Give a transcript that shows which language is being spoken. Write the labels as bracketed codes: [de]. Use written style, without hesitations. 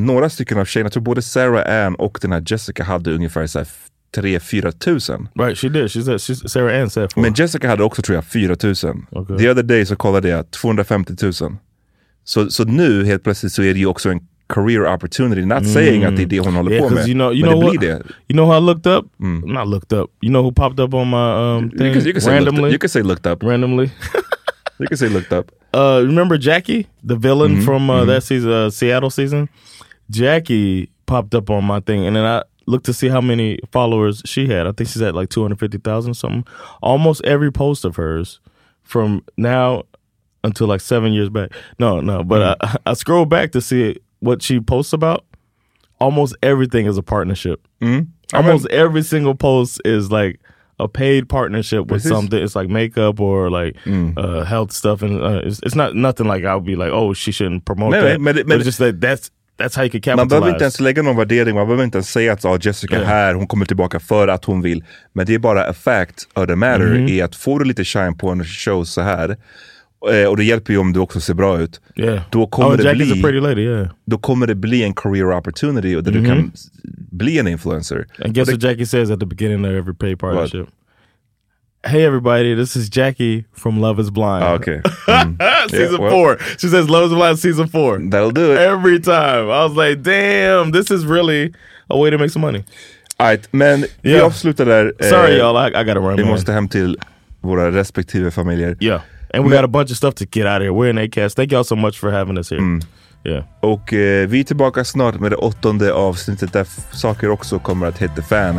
[sv] Några stycken av tjejerna, tror både Sarah Ann och den här Jessica hade ungefär så här 3-4 tusen. [en] Right, she did. She's Sarah Ann said 4. [sv] Men Jessica hade också, tror jag, 4 tusen. [en] Okay. The other day [sv] så kollade jag 250 tusen. Så nu helt plötsligt så är det ju också en [en] career opportunity, not saying [sv] att det är det hon håller på med. [en] You know how I looked up? Not looked up. You know who popped up on my thing? You can say looked up randomly. You can say looked up. Remember Jackie, the villain from that season, Seattle season? Jackie popped up on my thing, and then I looked to see how many followers she had. I think she's at like 250,000 or something. Almost every post of hers from now until like 7 years back. I scroll back to see what she posts about. Almost everything is a partnership. Mm-hmm. Almost every single post is like a paid partnership with something. It's like makeup or like health stuff. And it's not nothing like I would be like, oh, she shouldn't promote that. But it's just like that's how you can capitalize. [sv] Man behöver inte ens lägga någon värdering. Man behöver inte ens säga att Jessica här, hon kommer tillbaka för att hon vill. Men det är bara [en] a fact of the matter [sv] i att få du lite shine på en show så här. Och det hjälper ju om du också ser bra ut. [en] Yeah. [sv] Då kommer [en] Jack [sv] det bli, [en] is a pretty lady, yeah. [sv] Då kommer det bli en [en] career opportunity [sv] där du kan bli en influencer. [en] And guess what Jackie says at the beginning of every pay partnership. What? Hey everybody, this is Jackie from Love is Blind. Okay. Season 4. She says Love is Blind season 4. That'll do it. Every time. I was like, damn, this is really a way to make some money. All right, man. Yeah. [sv] Vi avslutar där. [en] Sorry y'all, I gotta run. [sv] Vi måste hem till våra respektive familjer. [en] Yeah. And we got a bunch of stuff to get out of here. We're in Acast. Thank y'all so much for having us here. Mm. Yeah. [sv] Och vi är tillbaka snart med det 8:e avsnittet där saker också kommer att [en] hit the fan.